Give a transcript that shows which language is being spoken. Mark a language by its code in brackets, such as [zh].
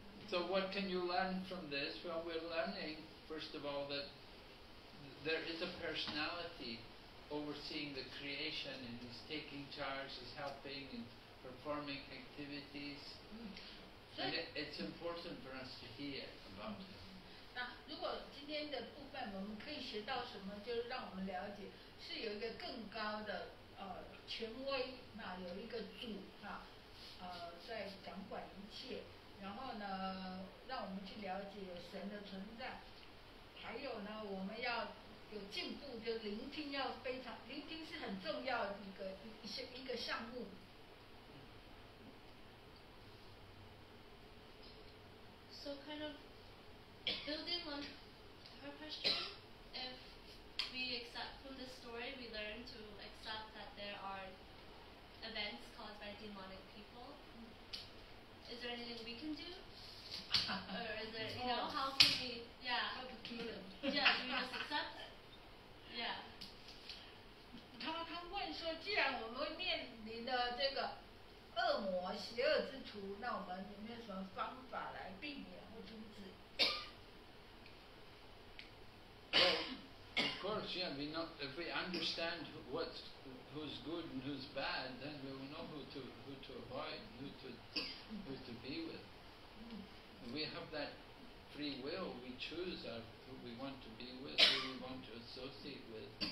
[en] So what can you learn from this? Well, we're learning, first of all, that there is a personality overseeing the creation and is taking charge, is helping and performing activities. And it's important for us to hear about it. [zh] 那如果今天的部分我们可以学到什么，就是让我们了解是有一个更高的权威，那有一个主哈，在掌管一切。然后呢，让我们去了解有神的存在，还有呢，我们要有进步，就聆听要非常，聆听是很重要的一个项目。 [en] So kind of building on her question, if we accept from this story, we learn to accept that there are events caused by demonic people. Is there anything we can do? Or is there, you know, how can we, yeah. How to kill them. Yeah, do we just accept? Yeah. [zh] 他问说，既然我们面临的这个恶魔、邪恶之徒，那我们有没有什么方法来避免或阻止？ [en] Well, of course, yeah, we know, if we understand who's good and who's bad, then we will know who to avoid and who to be with. We have that free will. We choose who we want to be with, who we want to associate with.